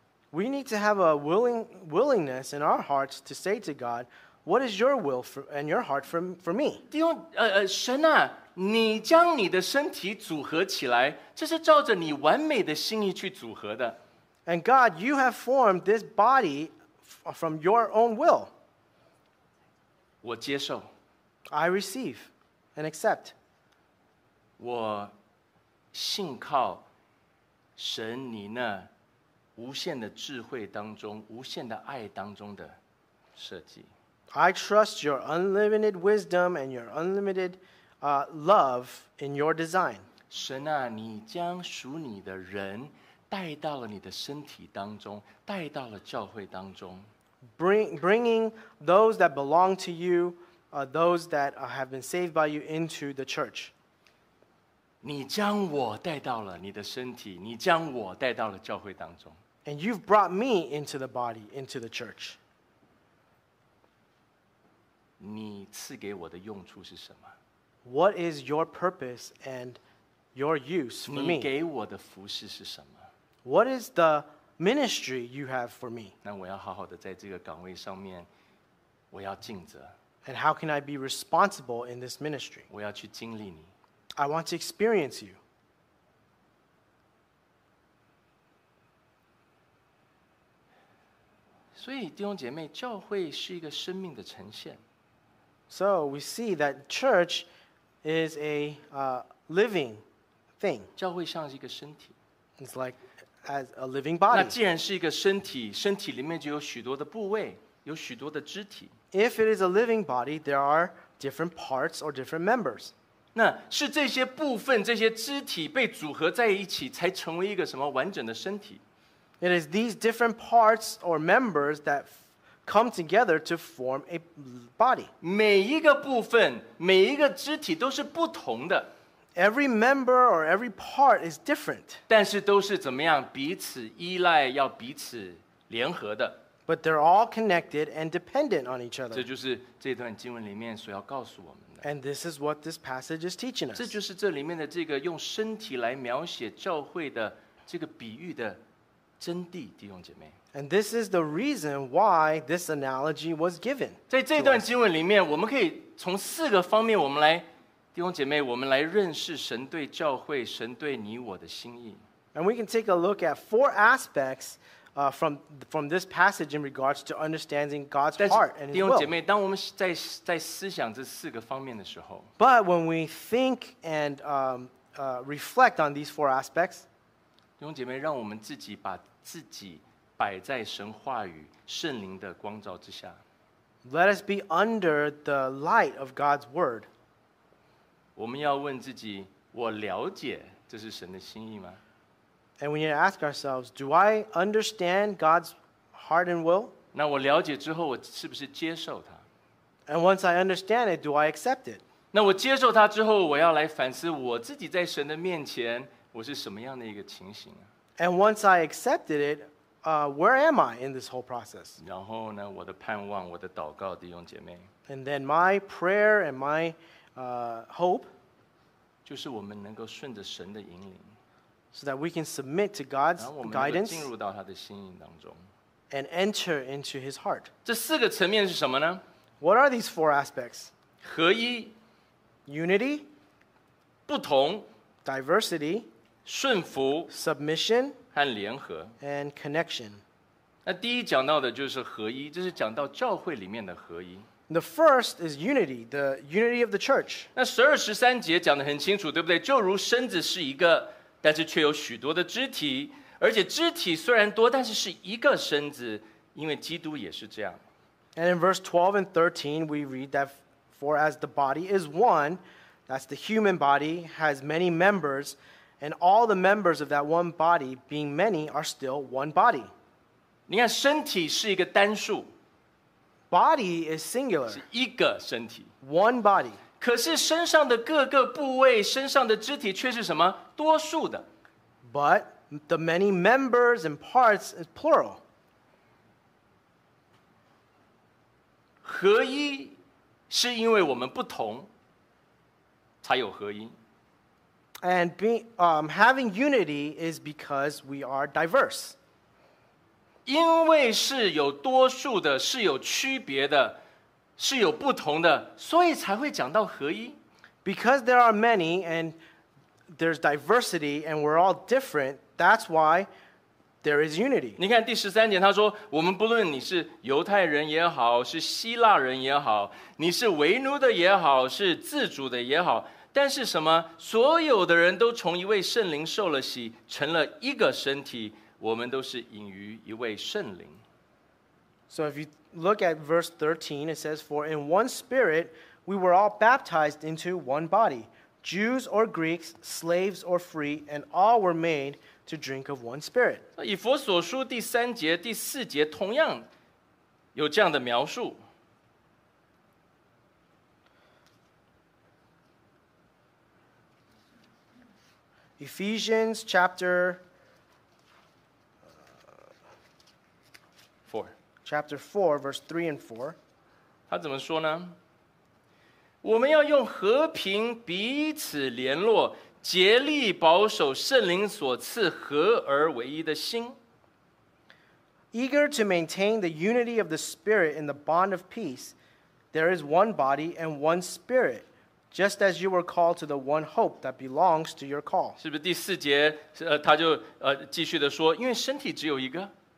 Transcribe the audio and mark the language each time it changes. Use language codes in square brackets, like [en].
[en] We need to have a willingness in our hearts to say to God, what is your will for, and your heart for me? [zh] 弟兄，神啊，你将你的身体组合起来，这是照着你完美的心意去组合的。 [en] And God, you have formed this body from your own will. [zh] 我接受。 [en] I receive and accept. [zh] 我信靠神你那无限的智慧当中，无限的爱当中的设计。 [en] I trust your unlimited wisdom and your unlimited love in your design. [zh] 神啊，你将属你的人带到了你的身体当中，带到了教会当中。 [en] Bringing those that belong to you, those that have been saved by you into the church. [zh] 你将我带到了你的身体，你将我带到了教会当中。 [en] And you've brought me into the body, into the church. [zh] 你赐给我的用处是什么？ [en] What is your purpose and your use for me? [zh] 你给我的服事是什么？ [en] What is the ministry you have for me? [zh] 那我要好好的在这个岗位上面，我要尽责。 [en] And how can I be responsible in this ministry? [zh] 我要去经历你。 [en] I want to experience you. [zh] 所以弟兄姐妹，教会是一个生命的呈现。 [en] So we see that church is a living thing. [zh] 教会像是一个身体。 [en] It's like as a living body. [zh] 那既然是一个身体，身体里面就有许多的部位，有许多的肢体。 [en] If it is a living body, there are different parts or different members. [zh] 那是这些部分，这些肢体被组合在一起，才成为一个什么完整的身体。 [en] It is these different parts or members that come together to form a body. [zh] 每一个部分，每一个肢体都是不同的。 [en] Every member or every part is different. [zh] 但是都是怎么样，彼此依赖，要彼此联合的。 [en] But they're all connected and dependent on each other. [zh] 这就是这段经文里面所要告诉我们的。 [en] And this is what this passage is teaching us. [zh] 这就是这里面的这个用身体来描写教会的这个比喻的真谛，弟兄姐妹。 [en] And this is the reason why this analogy was given. [zh] 在这段经文里面，我们可以从四个方面，我们来，弟兄姐妹，我们来认识神对教会、神对你我的心意。 [en] And we can take a look at four aspects, from this passage in regards to understanding God's heart and His will. [zh] 弟兄姐妹，当我们在思想这四个方面的时候 [en] ，But when we think and reflect on these four aspects, [zh] 弟兄姐妹，让我们自己把自己摆在神话语圣灵的光照之下。 [en] Let us be under the light of God's word. [zh] 我们要问自己，我了解这是神的心意吗？ [en] And we need to ask ourselves, do I understand God's heart and will? [zh] 那我了解之后，我是不是接受它？ [en] And once I understand it, do I accept it? [zh] 那我接受它之后，我要来反思我自己在神的面前，我是什么样的一个情形啊？ [en] And once I accepted it,where am I in this whole process? [zh] 然后呢，我的盼望，我的祷告，弟兄姐妹。 [en] And then my prayer and my hope, [zh] 就是我们能够顺着神的引领， [en] so that we can submit to God's guidance, [zh] 然后我们能够进入到他的心意当中， [en] and enter into His heart. [zh] 这四个层面是什么呢？ [en] What are these four aspects? [zh] 合一， [en] unity， [zh] 不同， [en] diversity， [zh] 顺服， [en] submission。 [zh] 和联合 [en] and connection. [zh] 那第一讲到的就是合一，这是讲到教会里面的合一。 [en] The first is unity, the unity of the church. [zh] 那十二十三节讲得很清楚，对不对？就如身子是一个，但是却有许多的肢体，而且肢体虽然多，但是是一个身子，因为基督也是这样。 [en] And in verse 12 and 13, we read that for as the body is one, that's the human body, has many members,And all the members of that one body, being many, are still one body. [zh] 你看，身体是一个单数。 [en] Body is singular. [zh] 是一个身体。 [en] One body. [zh] 可是身上的各个部位，身上的肢体却是什么？多数的。 [en] But the many members and parts is plural. [zh] 合一是因为我们不同，才有合一。 [en] And having unity is because we are diverse. [zh] 因为是有多数的，是有区别的，是有不同的，所以才会讲到合一。 [en] Because there are many and there's diversity and we're all different, that's why there is unity. [zh] 你看第十三节，他说：“我们不论你是犹太人也好，是希腊人也好，你是为奴的也好，是自主的也好。” 但是什么？所有的人都从一位圣灵受了洗，成了一个身体。我们都是隐于一位圣灵。 [en] So if you look at verse 13, it says, "For in one spirit we were all baptized into one body, Jews or Greeks, slaves or free, and all were made to drink of one spirit." [zh] 以弗所书第三节、第四节同样有这样的描述。 [en] Ephesians chapter 4. Chapter 4, verse 3 and 4. [zh] 他怎么说呢？我们要用和平彼此联络，竭力保守圣灵所赐合而为一的心。 [en] Eager to maintain the unity of the Spirit in the bond of peace, there is one body and one Spirit. Just as you were called to the one hope that belongs to your call. [zh] 是不是第四节，他就继续的说，因为身体只有一个。